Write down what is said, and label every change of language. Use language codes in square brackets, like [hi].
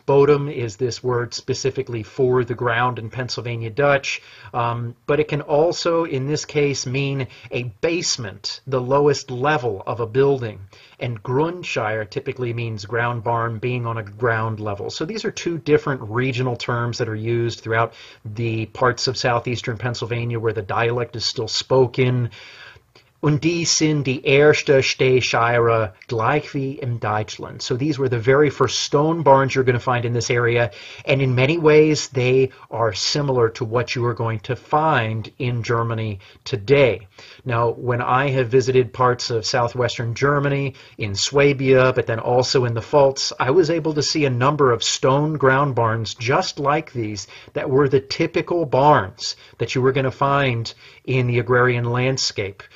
[en] Bodum is this word specifically for the ground in Pennsylvania Dutch, but it can also, in this case, mean a basement, the lowest level of a building. And Grundshire typically means ground barn being on a ground level. So these are two different regional terms that are used throughout the parts of southeastern Pennsylvania where the dialect is still spoken. [pdc] Und dies sind die erste Stehscheire gleich wie in Deutschland. [en] So these were the very first stone barns you're going to find in this area, and in many ways they are similar to what you are going to find in Germany today. Now, when I have visited parts of southwestern Germany, in Swabia, but then also in the Pfalz, I was able to see a number of stone ground barns just like these that were the typical barns that you were going to find in the agrarian landscape.